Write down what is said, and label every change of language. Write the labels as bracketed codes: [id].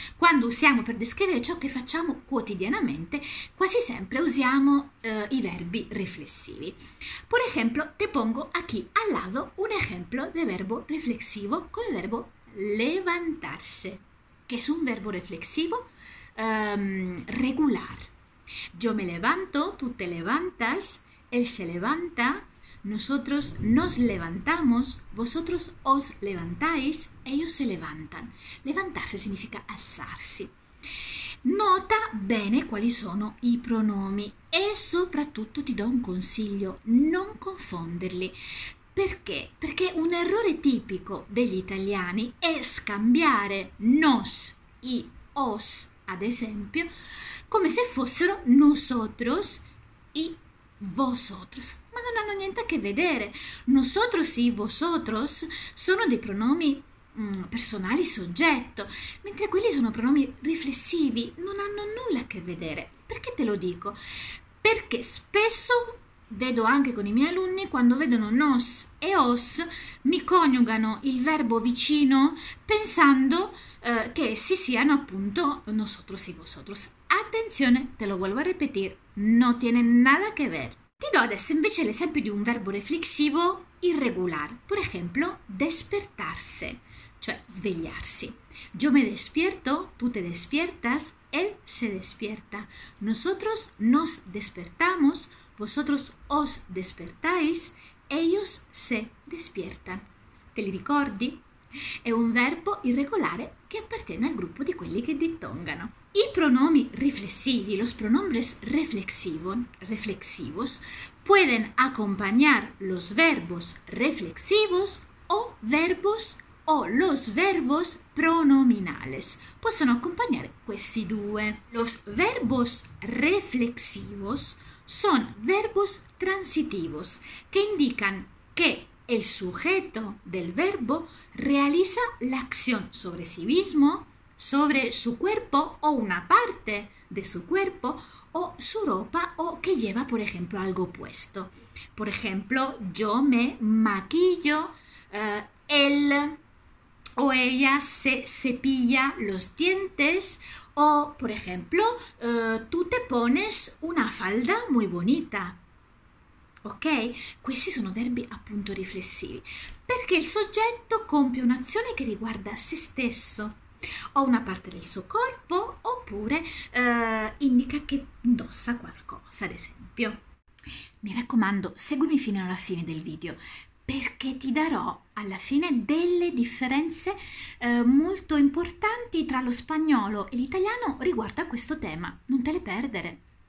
[it] Quando usiamo per descrivere ciò che facciamo quotidianamente, quasi sempre usiamo i verbi riflessivi. Per esempio, [es] te pongo aquí al lado [it] un esempio di verbo riflessivo con il verbo levantarse, che è un verbo riflessivo regular. [es] Yo me levanto, tú te levantas, él se levanta, nosotros nos levantamos, vosotros os levantáis, ellos se levantan. Levantarse significa alzarsi. [it] Nota bene quali sono i pronomi e soprattutto ti do un consiglio, non confonderli. Perché? Perché un errore tipico degli italiani è scambiare nos e os, ad esempio, come se fossero nosotros e vosotros. Ma non hanno niente a che vedere. Nosotros y vosotros sono dei pronomi personali soggetto, mentre quelli sono pronomi riflessivi, non hanno nulla a che vedere. Perché te lo dico? Perché spesso vedo anche con i miei alunni, quando vedono nos e os, mi coniugano il verbo vicino pensando che essi siano appunto nosotros y vosotros. [es] Attenzione, te lo vuelvo a repetir, no tiene nada que ver. [it] Ti do adesso invece l'esempio di un verbo reflexivo irregular, per esempio, despertarse, cioè svegliarsi. [es] Yo me despierto, tú te despiertas, él se despierta. Nosotros nos despertamos, vosotros os despertáis, ellos se despiertan. [it] Te li ricordi? È un verbo irregolare che appartiene al gruppo di quelli che dittongano. I pronomi riflessivi, [es] los pronombres reflexivos, pueden acompañar los verbos reflexivos o verbos o los verbos pronominales. [it] Possono accompagnare questi due. [es] Los verbos reflexivos son verbos transitivos que indican que el sujeto del verbo realiza la acción sobre sí mismo, sobre su cuerpo o una parte de su cuerpo o su ropa o que lleva, por ejemplo, algo puesto. Por ejemplo, yo me maquillo, él o ella se cepilla los dientes o, por ejemplo, tú te pones una falda muy bonita. Ok? [it] Questi sono verbi appunto riflessivi, perché il soggetto compie un'azione che riguarda se stesso o una parte del suo corpo, oppure indica che indossa qualcosa, ad esempio. Mi raccomando, seguimi fino alla fine del video, perché ti darò alla fine delle differenze molto importanti tra lo spagnolo e l'italiano riguardo a questo tema. Non te le perdere.